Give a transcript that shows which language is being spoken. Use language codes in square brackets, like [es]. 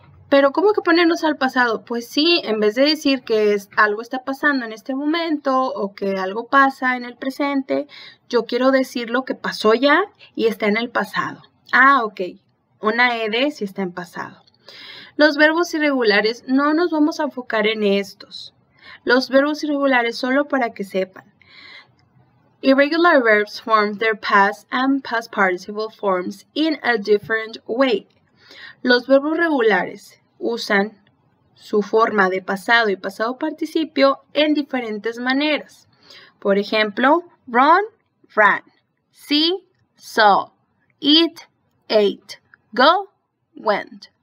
[es] Pero ¿cómo que ponernos al pasado? Pues sí, en vez de decir que es, algo está pasando en este momento o que algo pasa en el presente, yo quiero decir lo que pasó ya y está en el pasado. Ah, ok. Una ed si está en pasado. Los verbos irregulares, no nos vamos a enfocar en estos. Los verbos irregulares solo para que sepan. [en] Irregular verbs form their past and past participle forms in a different way. [es] Los verbos regulares usan su forma de pasado y pasado participio en diferentes maneras. Por ejemplo, run, ran. See, saw. [en] Eat, ate. Go, went.